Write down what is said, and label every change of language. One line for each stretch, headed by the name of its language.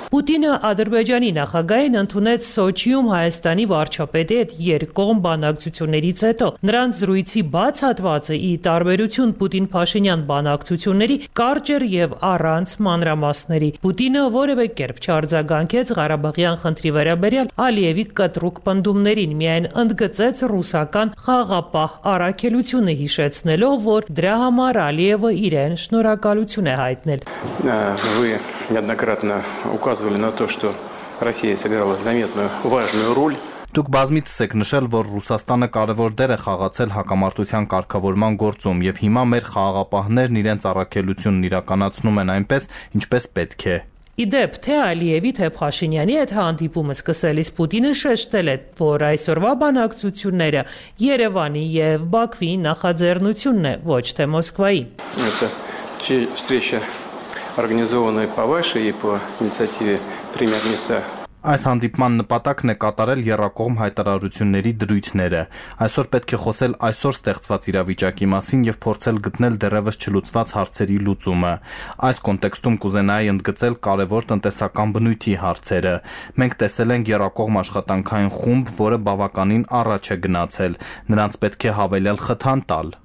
Armenian: Պուտինը ադրբեջանի նախագահին ընդունեց Սոչիում Հայաստանի վարչապետի հետ երկկողմ բանակցություններից հետո։ Նրանց զրույցի բաց հատվածը ի տարբերություն Պուտին-Փաշինյան բանակցությունների կարճ էր եւ առանց մանրամասների։ Պուտինը որևէ կերպ չարձագանքեց Ղարաբաղյան խնդրի վերաբերյալ Ալիևի կտրուկ պնդումներին, միայն ընդգծեց ռուսական խաղապահ առաքելությունը, հիշեցնելով, որ դրա համար Ալիևը իրեն շնորհակալություն է հայտնել։
Russian: Вы неоднократно указывали на то, что Россия сыграла заметную, важную роль.
Armenian: Դուք բազմիցս եք նշել, որ Ռուսաստանը կարևոր դեր է խաղացել հակամարտության կարգավորման գործում, եւ հիմա մեր խաղապահներն իրենց առաքելությունն իրականացնում են այնպես, ինչպես պետք է։ Իդեպ, թե Ալիևի, թե Փաշինյանի այդ հանդիպումը սկսելիս Պուտինը շեշտել է, որ այսօրվա բանակցությունները Երևանի եւ Բաքվի նախաձեռնությունն է, ոչ թե Մոսկվայի։
Russian: Չի встреча организована по вашей и по инициативе премьер-министра.
Armenian: Այս հանդիպման նպատակն է կատարել երրակողմ հայտարարությունների դրույթները։ Այսօր պետք է խոսել այսօր ստեղծված իրավիճակի մասին եւ փորձել գտնել դեռևս չլուծված հարցերի լուծումը։ Այս կոնտեքստում կուզենայի ընդգծել կարևոր տնտեսական բնույթի հարցերը։ Մենք տեսել ենք երրակողմ աշխատանքային խումբ, որը բավականին առաջ է գնացել։ Նրանց պետք է հավելյալ խթան տալ։